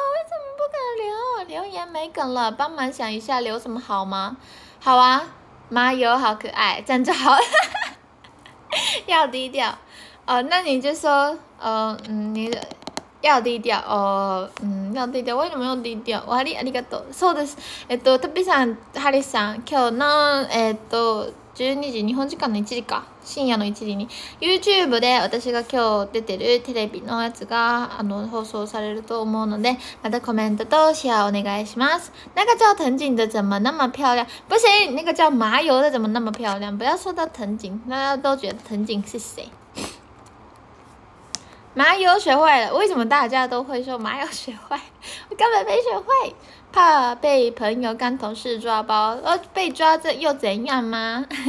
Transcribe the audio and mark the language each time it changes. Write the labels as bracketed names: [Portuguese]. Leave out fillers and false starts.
[Chinese] 为什么不敢留？留言没梗了，帮忙想一下留什么好吗？好啊，麻友好可爱，站着好，要低调。那你就说，你要低调哦，要低调。为什么要低调？ [Japanese] 哇哩，ありがとう。そうです。トピさん、ハリさん、今日の12時日本時間の1時か深夜の1時に YouTube で私が今日出てるテレビのやつが放送されると思うのでまたコメントとシェアお願いします。 [Chinese] 那个叫藤井的怎么那么漂亮，不行，那个叫麻油的怎么那么漂亮，不要说到藤井，大家都觉得藤井是谁。麻油学会了，为什么大家都会说麻油学会？我根本没学会，怕被朋友跟同事抓包，被抓这又怎样吗？